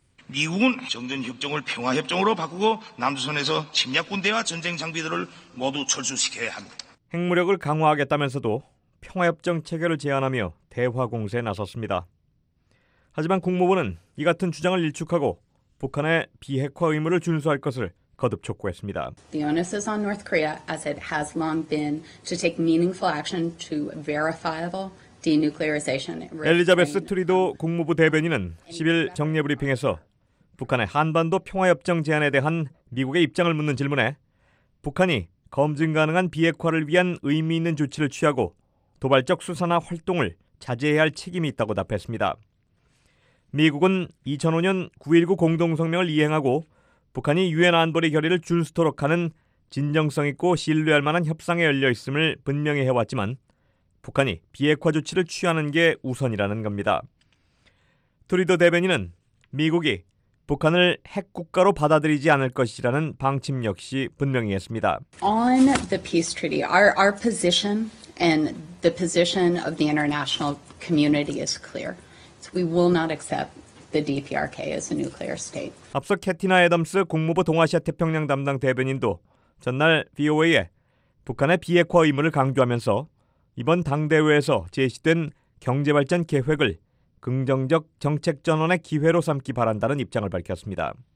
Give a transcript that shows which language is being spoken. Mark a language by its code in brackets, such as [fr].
[ko] 미국은 정전협정을 평화협정으로 바꾸고 남조선에서 침략군대와 전쟁 장비들을 모두 철수시켜야 합니다. 핵무력을 강화하겠다면서도 평화협정 체결을 제안하며 대화 공세에 나섰습니다. 하지만 국무부는 이 같은 주장을 일축하고 북한의 비핵화 의무를 준수할 것을 거듭 촉구했습니다. [en] The onus is on North Korea as it has long been to take meaningful action to verifiable denuclearization. [ko] 엘리자베스 트리도 국무부 대변인은 10일 정례 브리핑에서 북한의 한반도 평화협정 제안에 대한 미국의 입장을 묻는 질문에 북한이 검증 가능한 비핵화를 위한 의미 있는 조치를 취하고 도발적 수사나 활동을 자제해야 할 책임이 있다고 답했습니다. 미국은 2005년 9.19 공동성명을 이행하고 북한이 유엔 안보리 결의를 준수토록 하는 진정성 있고 신뢰할 만한 협상에 열려 있음을 분명히 해왔지만 북한이 비핵화 조치를 취하는 게 우선이라는 겁니다. 트리도 대변인은 미국이 북한을 핵국가로 받아들이지 않을 것이라는 방침 역시 분명히 했습니다. [en] On the peace treaty, our position and the position of the international community is clear. So we will not accept the DPRK as a nuclear state. [ko] 앞서 캐티나 애덤스 국무부 동아시아 태평양 담당 대변인도 전날 VOA에 북한의 비핵화 의무를 강조하면서 이번 당대회에서 제시된 경제발전 계획을 긍정적 정책 전환의 기회로 삼기 바란다는 입장을 밝혔습니다.